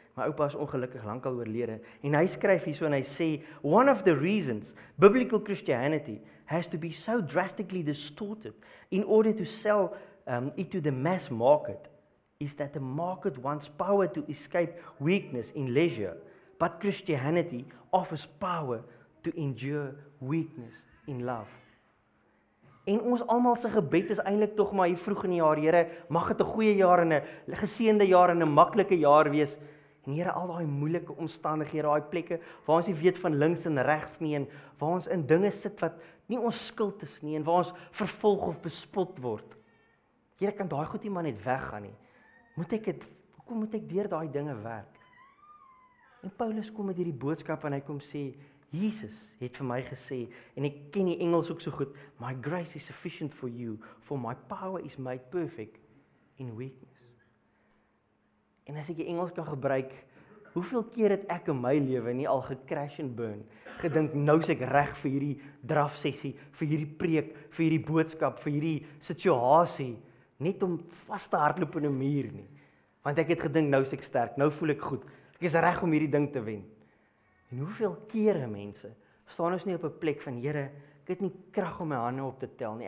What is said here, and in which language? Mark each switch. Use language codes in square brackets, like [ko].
[af] My oupa is ongelukkig lankal oorlede en hy skryf hierso en hy sê, [en] "One of the reasons biblical Christianity has to be so drastically distorted in order to sell it to the mass market is that the market wants power to escape weakness in leisure, but Christianity offers power to endure weakness in love." [af] En ons almal se gebed is eintlik tog maar hier vroeg in die jaar, Here, mag dit 'n goeie jaar en 'n geseënde jaar en 'n maklike jaar wees. En Here, al daai moeilike omstandighede, daai plekke waar ons nie weet van links en regs nie en waar ons in dinge sit wat nie ons skuld is nie en waar ons vervolg of bespot word. Here, kan daai goed nie maar net weggaan nie. Hoekom moet ek deur daai dinge werk? En Paulus kom met hierdie boodskap en hy kom sê, "Jesus het vir my gesê, en ek ken die Engels ook so goed, [en] 'My grace is sufficient for you, for my power is made perfect in weakness.'" [af] En as ek die Engels kan gebruik, hoeveel keer het ek in my lewe nie al gecrash [en] and burn, [af] gedink nou is ek reg vir hierdie draf sessie, vir hierdie preek, vir hierdie boodskap, vir hierdie situasie, net om vas te hardloop in 'n muur nie. Want ek het gedink nou is ek sterk, nou voel ek goed. Ek is reg om hierdie ding te wen. En hoeveel kere mense staan ons nie op 'n plek van, "Here, ek het nie krag om my hande op te tel nie.